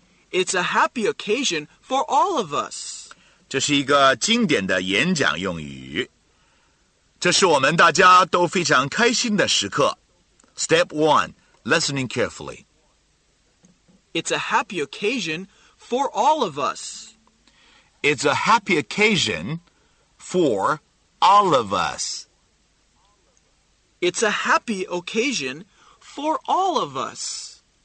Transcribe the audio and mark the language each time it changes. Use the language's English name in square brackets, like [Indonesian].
[English] It's a happy occasion for all of us. [Chinese] 这是一个经典的演讲用语。这是我们大家都非常开心的时刻。 [English] Step one, listening carefully. It's a happy occasion for all of us. It's a happy occasion for all of us. It's a happy occasion for all of us.